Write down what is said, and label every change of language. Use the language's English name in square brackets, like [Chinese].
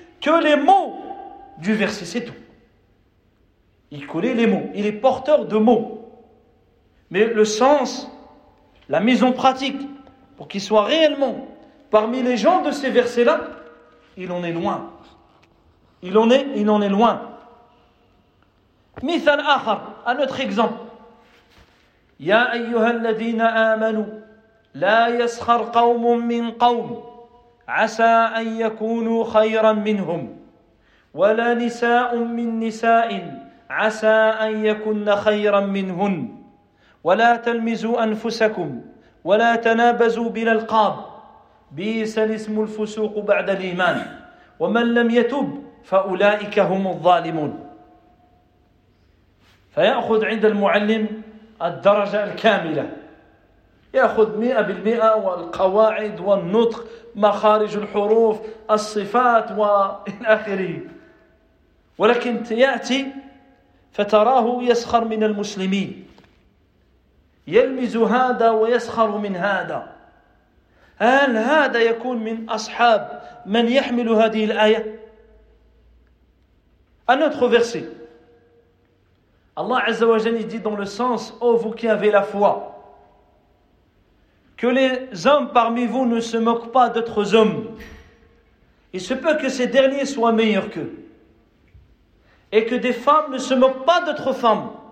[French] que les mots du verset, c'est tout. Il connaît les mots, il est porteur de mots. Mais le sens, la mise en pratique, pour qu'il soit réellement parmi les gens de ces versets-là, il en est loin. Il en est loin. [Arabic] مثال آخر, [French] un autre exemple. [Arabic] يا أيها الذين آمنوا لا يسخر قوم من قوم عسى أن يكونوا خيرا منهم ولا نساء من نساء عسى أن يكن خيرا منهن ولا تلمزوا أنفسكم ولا تنابزوا بالألقاب بئس الاسم الفسوق بعد الإيمان ومن لم يتب فأولئك هم الظالمون فيأخذ عند المعلم الدرجة الكاملة يأخذ 100% والقواعد والنطق مخارج الحروف الصفات وإلى آخره ولكن يأتي فتراه يسخر من المسلمين يلمز هذا ويسخر من هذا هل هذا يكون من أصحاب من يحمل هذه الآية؟ [French] Un autre verset. Allah Azza wa Jalla dit dans le sens « Ô vous qui avez la foi, que les hommes parmi vous ne se moquent pas d'autres hommes. Il se peut que ces derniers soient meilleurs qu'eux. Et que des femmes ne se moquent pas d'autres femmes.